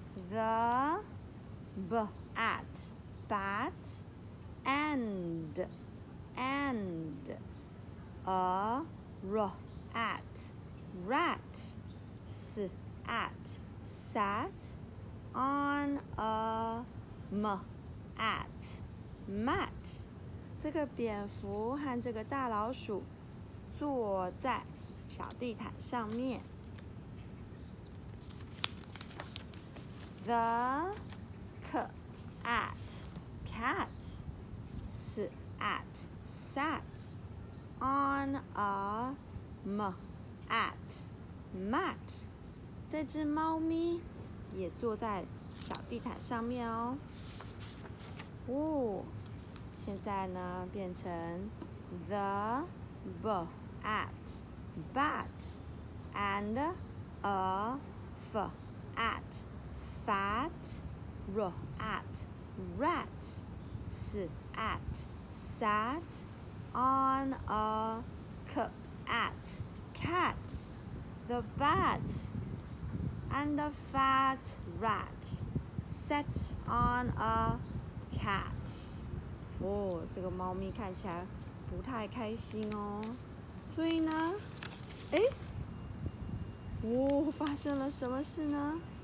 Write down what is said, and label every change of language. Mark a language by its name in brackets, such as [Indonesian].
[English] The b at bat and a r at rat s at sat on a m at mat. [Chinese] 这个蝙蝠和这个大老鼠坐在小地毯上面。 [English] The k at cat s at sat on a m at mat。 [Chinese] 这只猫咪也坐在小地毯上面哦。现在呢变成 [English] the b at bat and a f at fat r at rat s at sat on a k at cat the bat and a fat rat sat on a cat。 [Chinese] 哦，这个猫咪看起来不太开心哦。所以呢，诶，哦，发生了什么事呢？